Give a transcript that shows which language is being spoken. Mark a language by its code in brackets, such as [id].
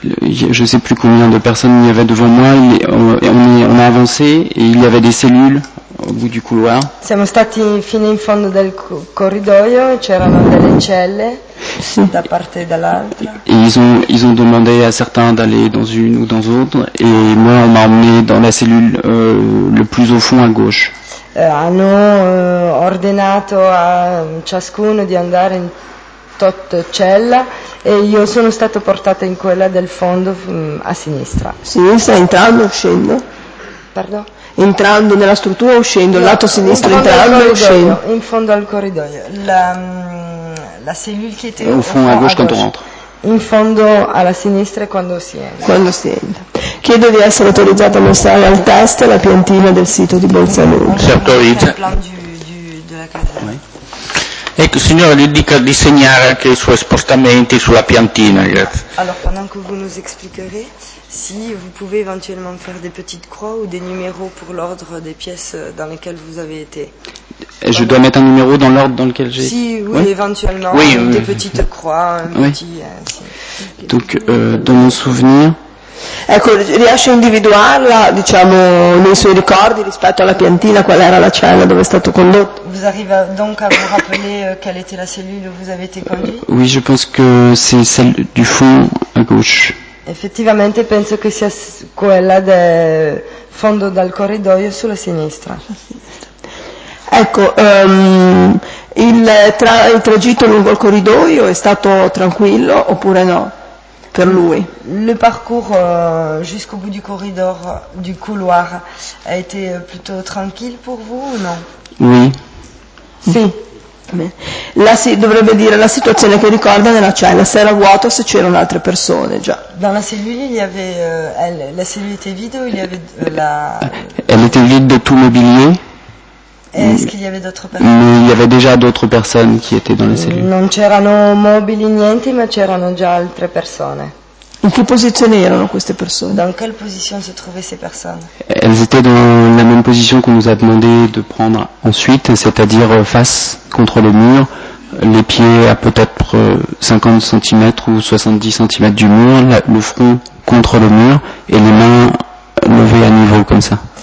[fr] Je ne sais plus combien de personnes il y avait devant moi. On a avancé et il y avait des cellules au bout du couloir. [it] Siamo stati fino in fondo del corridoio e c'erano delle celle da parte e dall'altra. [fr] Et ils ont demandé à certains d'aller dans une ou dans l'autre et moi on m'a emmené dans la cellule le plus au fond à gauche. [it] Hanno ordinato a ciascuno di andare in tot cella e io sono stato portato in quella del fondo a sinistra. Sinistra entrando o uscendo? [fr] Pardon? [it] Entrando nella struttura o uscendo? No, lato sinistro entrando o uscendo? In fondo al corridoio. [fr] La cellule [it] che [fr] était au fond à gauche quand on rentre. [it] In fondo alla sinistra quando si entra. Quando si entra. Chiedo di essere autorizzato a mostrare al test la piantina del sito di Bolzano. Si autorizza. Ecco, signore, gli dica di segnare anche i suoi spostamenti sulla piantina, grazie. Allora, [fr] pendant que vous nous expliquerez, si vous pouvez éventuellement faire des petites croix ou des numéros pour l'ordre des pièces dans lesquelles vous avez été. Et je dois mettre un numéro dans l'ordre dans lequel j'ai... [it] Si, [fr] oui, ouais. Éventuellement, oui, oui. Des petites croix, un oui. Petit... Donc, dans mon souvenir... [it] Ecco, riesce a individuarla, diciamo, nei suoi ricordi rispetto alla piantina, qual era la cella dove è stato condotto? [fr] Vous arrivez donc à vous rappeler quelle était la cellule où vous avez été conduit? Oui, je pense que c'est celle du fond à gauche. Effectivement, je pense que c'est [it] quella del fondo dal corridoio sulla sinistra. Ecco, il tragitto lungo il corridoio è stato tranquillo oppure no? Per lui. [fr] Le parcours jusqu'au bout du corridor, du couloir, a été plutôt tranquille pour vous ou non? Oui. [it] Sì. Dovrebbe dire la situazione che ricorda nella cella, se era vuoto, se c'erano altre persone già. [fr] Dans la cellule, il y avait, la cellule était vide ou il y avait Elle était vide de tout mobilier. Est-ce qu'il y avait d'autres personnes? Il y avait déjà d'autres personnes qui étaient dans la cellule. [it] Non c'erano mobili niente, ma c'erano già altre persone. In che posizione erano queste persone? [fr] Dans quelle position se trouvaient ces personnes? Elles étaient dans la même position qu'on nous a demandé de prendre ensuite, c'est-à-dire face contre le mur, les pieds à peut-être 50 cm ou 70 cm du mur, le front contre le mur et les mains levées à niveau comme ça.